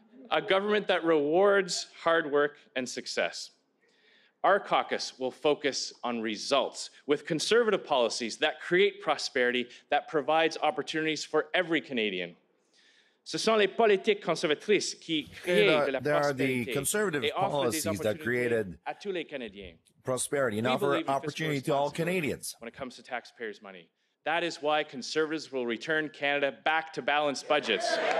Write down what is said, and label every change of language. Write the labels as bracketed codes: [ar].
[en] A government that rewards hard work and success. Our caucus will focus on results with conservative policies that create prosperity, that provides opportunities for every Canadian. [fr] Ce sont les politiques conservatrices qui créent de la prospérité et offrent des opportunités à tous les Canadiens. [en] prosperity and offer opportunity to all Canadians. When it comes to taxpayers' money, that is why Conservatives will return Canada back to balanced budgets.